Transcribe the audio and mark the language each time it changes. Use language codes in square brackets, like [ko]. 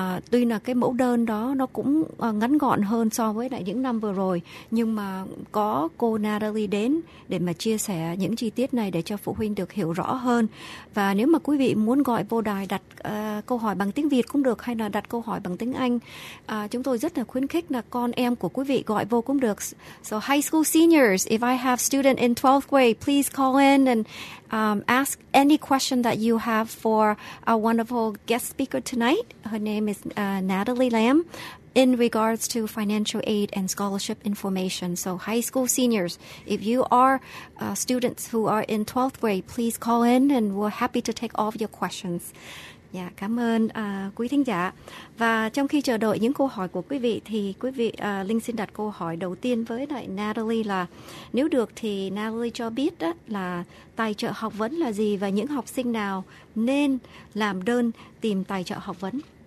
[vi] Tuy là cái mẫu đơn đó nó cũng ngắn gọn hơn so với lại những năm vừa rồi, nhưng mà có cô Natalie đến để mà chia sẻ những chi tiết này để cho phụ huynh được hiểu rõ hơn. Và nếu mà quý vị muốn gọi vô đài đặt câu hỏi bằng tiếng Việt cũng được, hay là đặt câu hỏi bằng tiếng Anh, chúng tôi rất là khuyến khích là con em của quý vị gọi vô cũng được. [en] So high school seniors, if I have student in 12th grade, please call in and ask any question that you have for our wonderful guest speaker tonight. Her name is Natalie Lam, in regards to financial aid and scholarship information. So high school seniors, if you are students who are in 12th grade, please call in and we're happy to take all of your questions. [vi] Dạ, cảm ơn quý thính giả. Và trong khi chờ đợi những câu hỏi của quý vị thì quý vị Linh xin đặt câu hỏi đầu tiên với lại Natalie là nếu được thì Natalie cho biết đó là tài trợ học vấn là gì và những học sinh nào nên làm đơn tìm tài trợ học vấn.